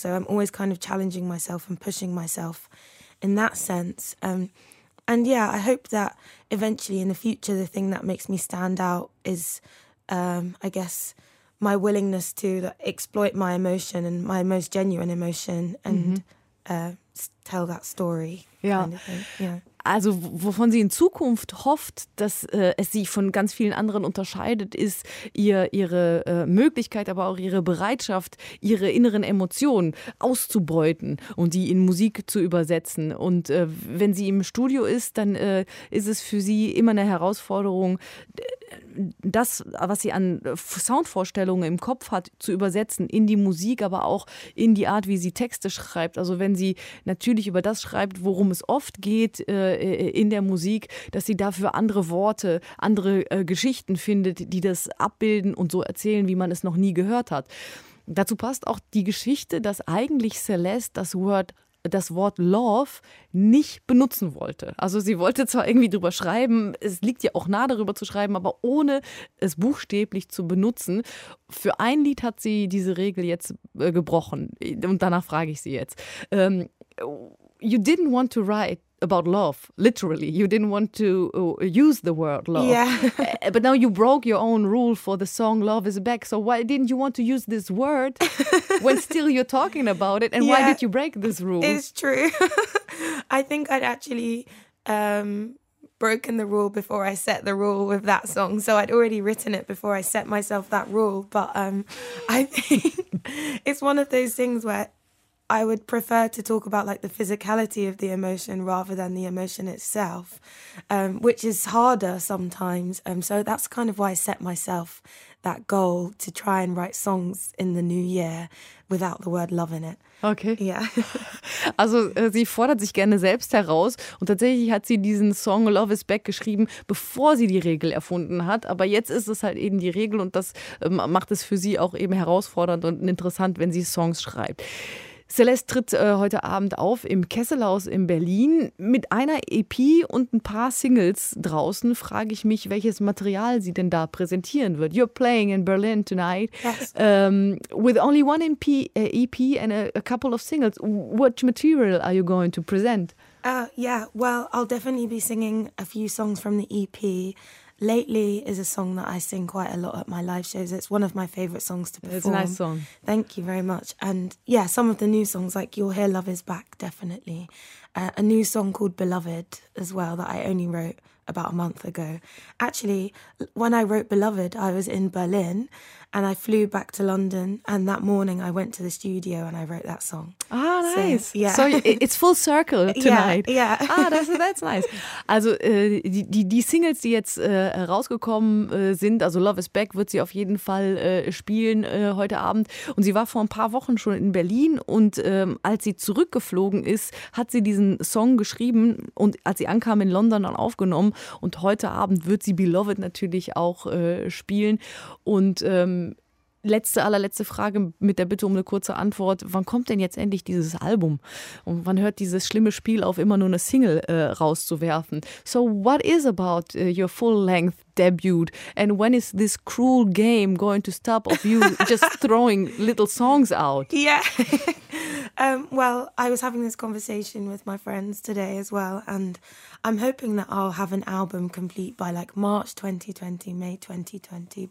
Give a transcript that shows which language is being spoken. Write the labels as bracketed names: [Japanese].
[English] So I'm always kind of challenging myself and pushing myself in that sense. And yeah, I hope that eventually in the future, the thing that makes me stand out is, I guess, my willingness to exploit my emotion and my most genuine emotion and tell that story. Yeah. Kind of thing. Yeah. [German] Also wovon sie in Zukunft hofft, dass es sie von ganz vielen anderen unterscheidet, ist ihre Möglichkeit, aber auch ihre Bereitschaft, ihre inneren Emotionen auszubeuten und die in Musik zu übersetzen. Und wenn sie im Studio ist, dann ist es für sie immer eine Herausforderung, das, was sie an Soundvorstellungen im Kopf hat, zu übersetzen in die Musik, aber auch in die Art, wie sie Texte schreibt. Also wenn sie natürlich über das schreibt, worum es oft geht in der Musik, dass sie dafür andere Worte, andere Geschichten findet, die das abbilden und so erzählen, wie man es noch nie gehört hat. Dazu passt auch die Geschichte, dass eigentlich Celeste das Wort Love nicht benutzen wollte. Also sie wollte zwar irgendwie drüber schreiben, es liegt ja auch nah, darüber zu schreiben, aber ohne es buchstäblich zu benutzen. Für ein Lied hat sie diese Regel jetzt gebrochen. Und danach frage ich sie jetzt. [English] You didn't want to write about love, literally. You didn't want to use the word love. Yeah. But now you broke your own rule for the song Love Is Back. So why didn't you want to use this word when still you're talking about it? And why did you break this rule? It's true. I think I'd actually broken the rule before I set the rule with that song. So I'd already written it before I set myself that rule. But I think it's one of those things where I would prefer to talk about like the physicality of the emotion rather than the emotion itself, which is harder sometimes. So that's kind of why I set myself that goal to try and write songs in the new year without the word love in it. Okay. Yeah. [German] Also sie fordert sich gerne selbst heraus und tatsächlich hat sie diesen Song Love Is Back geschrieben, bevor sie die Regel erfunden hat. Aber jetzt ist es halt eben die Regel und das macht es für sie auch eben herausfordernd und interessant, wenn sie Songs schreibt. Celeste tritt heute Abend auf im Kesselhaus in Berlin. Mit einer EP und ein paar Singles draußen frage ich mich, welches Material sie denn da präsentieren wird. [English] You're playing in Berlin tonight. Yes. With only one EP and a couple of singles. What material are you going to present? Well, I'll definitely be singing a few songs from the EP. Lately is a song that I sing quite a lot at my live shows. It's one of my favorite songs to perform. It's a nice song. Thank you very much. And yeah, some of the new songs, like You'll Hear Love Is Back, definitely. A new song called Beloved as well that I only wrote about a month ago. Actually, when I wrote Beloved, I was in Berlin and I flew back to London. And that morning I went to the studio and I wrote that song. Ah, nice. So, yeah. So it's full circle tonight. Yeah. Ah, that's nice. [German] Also die Singles, die jetzt rausgekommen sind, also Love Is Back wird sie auf jeden Fall spielen heute Abend. Und sie war vor ein paar Wochen schon in Berlin und als sie zurückgeflogen ist, hat sie diesen Song geschrieben und als sie ankam in London dann aufgenommen. Und heute Abend wird sie Beloved natürlich auch spielen. Und letzte, allerletzte Frage mit der Bitte um eine kurze Antwort. Wann kommt denn jetzt endlich dieses Album? Und wann hört dieses schlimme Spiel auf, immer nur eine Single rauszuwerfen? [English] So what is about your full-length debut? And when is this cruel game going to stop of you just throwing little songs out? Yeah. Well, I was having this conversation with my friends today as well, and I'm hoping that I'll have an album complete by like March 2020, May 2020.